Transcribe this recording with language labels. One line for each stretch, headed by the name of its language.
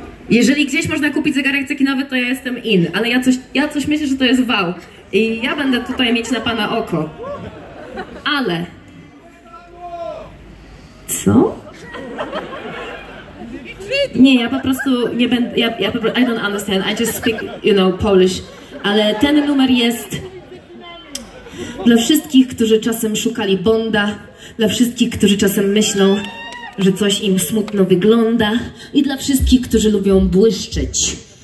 Polish: Jeżeli gdzieś można kupić zegarek cekinowy, to ja jestem in, ale ja coś myślę, że to jest wow. I ja będę tutaj mieć na pana oko. Ale... Co? Nie, ja po prostu nie będę...
English: I don't understand, I just speak, you know, Polish.
Polish: Ale ten numer jest dla wszystkich, którzy czasem szukali Bonda, dla wszystkich, którzy czasem myślą, że coś im smutno wygląda i dla wszystkich, którzy lubią błyszczeć.